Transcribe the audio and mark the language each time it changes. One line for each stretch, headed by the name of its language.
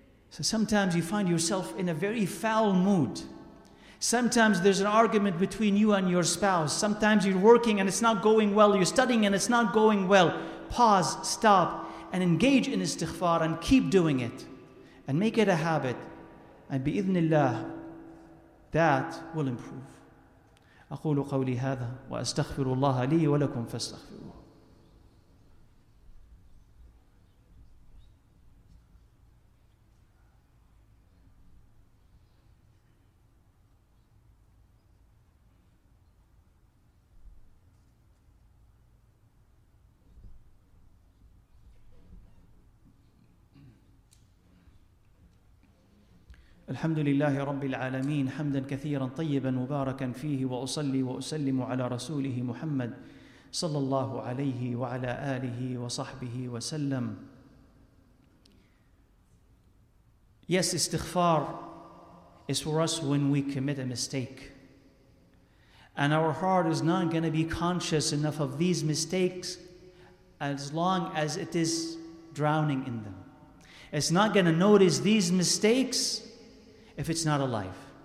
English: So sometimes you find yourself in a very foul mood. Sometimes there's an argument between you and your spouse. Sometimes you're working and it's not going well. You're studying and it's not going well. Pause, stop, and engage in istighfar and keep doing it. And make it a habit. And bi-idhnillah, that will improve.
Arabic: أقول قولي هذا وأستغفر الله لي ولكم فاستغفروه. الحمد لله رب العالمين حمدا كثيرا طيبا مباركا فيه وأصلي وأسلم على رسوله محمد صلى الله عليه وعلى آله وصحبه وسلم.
English: Yes, istighfar is for us when we commit a mistake. And our heart is not going to be conscious enough of these mistakes as long as it is drowning in them. It's not going to notice these mistakes if it's not alive.